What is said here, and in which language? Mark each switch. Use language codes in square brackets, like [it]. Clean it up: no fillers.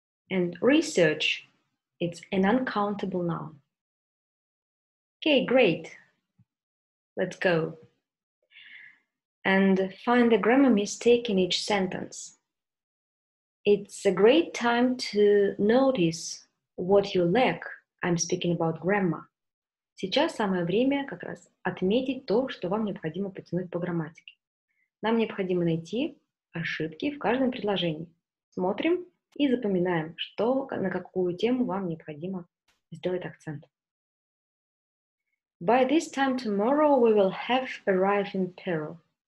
[en] And research, it's an uncountable noun. Okay, great. Let's go and find the grammar mistake in each sentence. It's a great time to notice what you lack. I'm speaking about grammar. [ru] Сейчас самое время как раз отметить то, что вам необходимо подтянуть по грамматике. Нам необходимо найти ошибки в каждом предложении. Смотрим и запоминаем, что на какую тему вам необходимо сделать акцент. [en] By this time tomorrow, we will have arrived in Peru.